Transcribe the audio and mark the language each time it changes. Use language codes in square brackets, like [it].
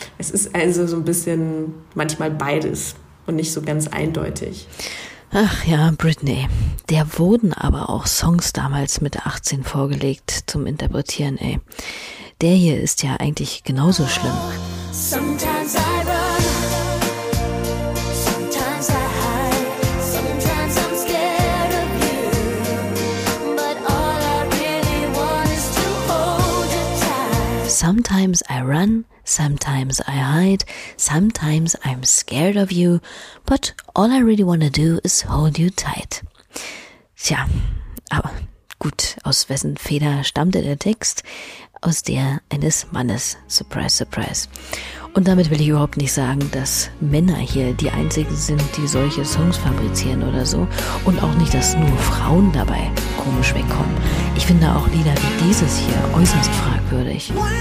[de] Es ist also so ein bisschen manchmal beides und nicht so ganz eindeutig. Ach ja, Britney. Der wurden aber auch Songs damals mit 18 vorgelegt zum Interpretieren, ey. Der hier ist ja eigentlich genauso schlimm. [en] Sometimes I run. Sometimes I run, sometimes I hide, sometimes I'm scared of you, but all I really wanna do is hold you tight. [de] Tja, aber gut, aus wessen Feder stammte der Text? Aus der eines Mannes. [en] Surprise, surprise. [de] Und damit will ich überhaupt nicht sagen, dass Männer hier die einzigen sind, die solche Songs fabrizieren oder so. Und auch nicht, dass nur Frauen dabei komisch wegkommen. Ich finde auch Lieder wie dieses hier äußerst fragwürdig.